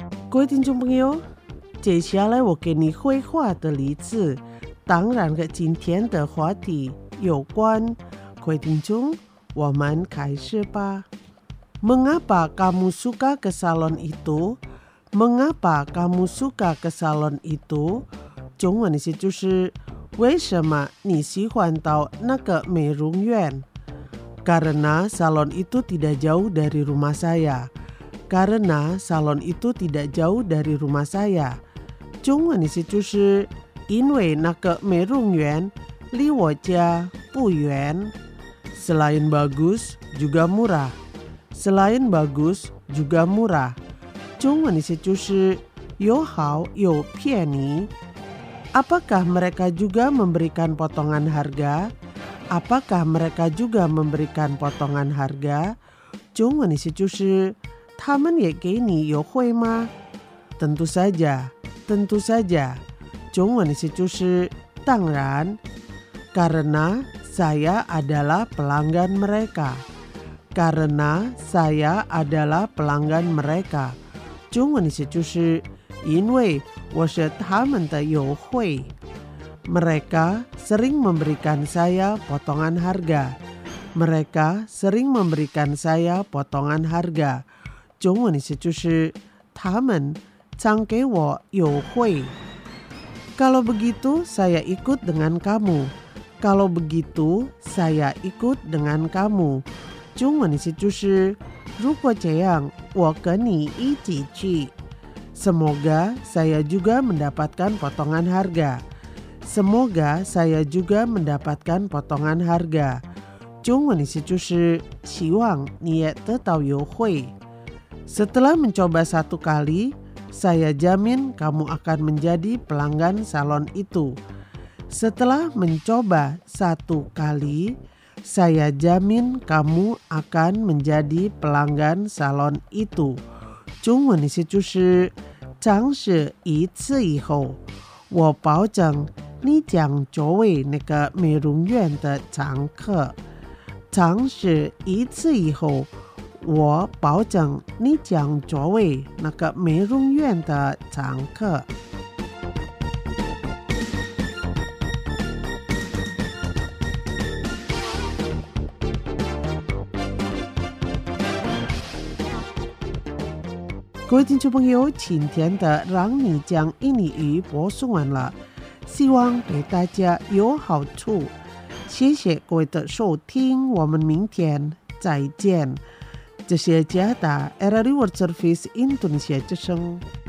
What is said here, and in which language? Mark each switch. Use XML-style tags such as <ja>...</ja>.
<zh>各位听众朋友，接下来我给你绘画的例子当然和今天的话题有关，各位听众，我们开始吧。</zh> <id>Mengapa kamu suka ke salon itu？ Mengapa kamu suka ke salon itu？</id> <zh>中文意思就是为什么你喜欢到那个美容院。</zh> <id>Karena salon itu tidak jauh dari rumah saya。 Karena salon itu tidak jauh dari rumah saya。</id> <zh>中文意思就是因为那个美容院离我家不远。</zh> <id>Selain bagus juga murah， Selain bagus juga murah</id> <zh>中文意思就是有好有便宜。</zh> <id>Apakah mereka juga memberikan potongan harga？ Apakah mereka juga memberikan potongan harga？</id> <zh>中文意思就是他们也给你优惠吗？</zh> <id>Tentu saja， Tentu saja</id> <zh>中文意思就是当然。</zh> <id>Karena saya adalah pelanggan mereka. Karena saya adalah pelanggan mereka.</id> <zh>中文的意思就是因为我是他们的优惠。</zh> <id>Mereka sering memberikan saya potongan harga. Mereka sering memberikan saya potongan harga.</id> <zh>中文意思就是他们常给我优惠。</zh> <id>Kalau begitu, saya ikut dengan kamu. Kalau begitu, saya ikut dengan kamu.</id> <zh>中文意思就是如果这样，我跟你一起去。</zh> <id>Semoga saya juga mendapatkan potongan harga. Semoga saya juga mendapatkan potongan harga.</id> <zh>中文意思就是希望你也得到优惠。</zh> <id>Setelah mencoba satu kali, saya jamin kamu akan menjadi pelanggan salon itu. Setelah mencoba satu kali, saya jamin kamu akan menjadi pelanggan salon itu.</id> <zh>中文意思就是尝试一次以后，我保证你将作为那个美容院的常客。尝试一次以后，我保证你将作为那个美容院的常客。各位听众朋友，今天的让你讲印尼语播送完了，希望对大家有好处。谢谢各位的收听，我们明天再见。这些家的 RRI World Service Indonesia 之声。</zh>